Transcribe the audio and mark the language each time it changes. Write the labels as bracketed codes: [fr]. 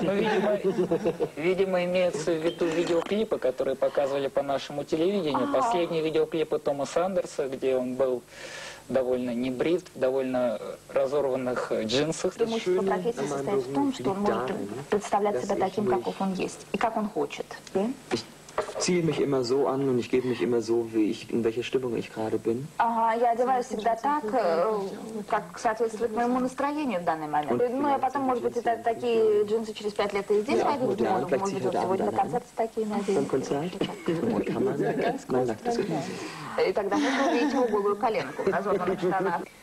[ru] Ну, видимо, имеется в виду видеоклипы, которые показывали по нашему телевидению. А-а-а. Последние видеоклипы Томаса Андерса, где он был довольно небрит, довольно разорванных джинсах. Преимущество профессии состоит в том, что он может представлять себя таким, каков он есть и как он хочет. [de] Ziehe mich immer so an und ich gebe mich immer so, wie ich in welcher Stimmung ich gerade bin. [ru] Ага, я одеваюсь всегда так, как соответствует моему настроению в данный момент. Ну, а потом, может быть, это такие джинсы через 5 лет и здесь пойдут. Может быть, вот сегодня на концерте такие надеюсь. На концерте? И тогда мы увидим голую коленку в разорванных штанах.